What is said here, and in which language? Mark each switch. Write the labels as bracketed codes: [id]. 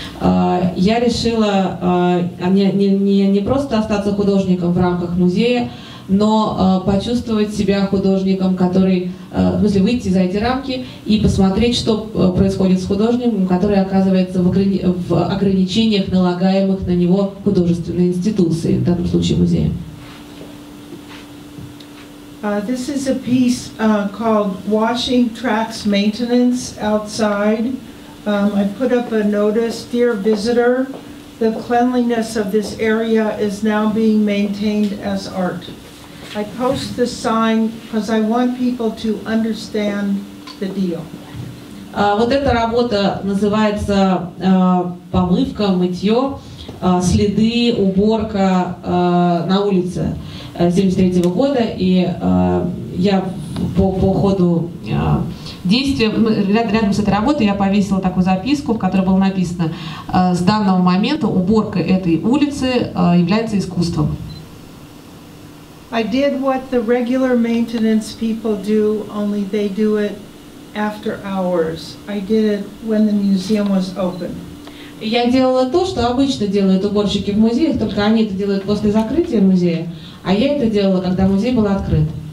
[ru] Я решила не просто остаться художником в рамках музея, но почувствовать себя художником, который, в смысле, выйти за эти рамки и посмотреть, что происходит с художником, который оказывается в ограничениях, налагаемых на него художественной институцией, в данном случае музеем. [en] This is a piece called Washing Tracks Maintenance Outside. I put up a notice, Dear Visitor, the cleanliness of this area is now being maintained as art. I post this sign because I want people to understand the deal. [ru] Вот эта работа называется «Помывка, мытье, следы, уборка на улице». 73-го года, и я по ходу действия, рядом с этой работой я повесила такую записку, в которой было написано, с данного момента уборка этой улицы является искусством. [en] I did what the regular maintenance people do, only they do it after hours. I did it when the museum was open. [ru] Я делала то, что обычно делают уборщики в музеях, только они это делают после закрытия музея. А я это делала, когда музей был открыт.